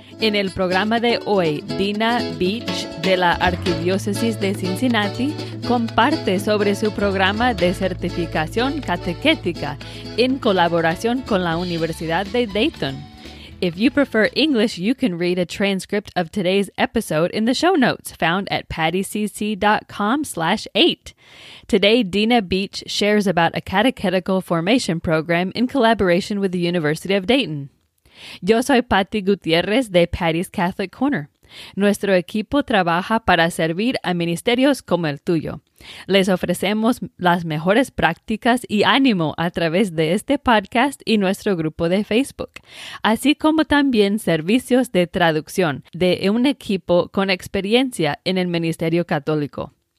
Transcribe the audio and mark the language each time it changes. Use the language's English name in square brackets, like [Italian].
[Spanish] En el programa de hoy, Dina Beach de la Arquidiócesis de Cincinnati comparte sobre su programa de certificación catequética en colaboración con la Universidad de Dayton. [English] If you prefer English, you can read a transcript of today's episode in the show notes found at pattycc.com/8. Today, Dina Beach shares about a catechetical formation program in collaboration with the University of Dayton. [Spanish] Yo soy Patty Gutierrez de Patty's Catholic Corner. Nuestro equipo trabaja para servir a ministerios como el tuyo. Les ofrecemos las mejores prácticas y ánimo a través de este podcast y nuestro grupo de Facebook, así como también servicios de traducción de un equipo con experiencia en el ministerio católico.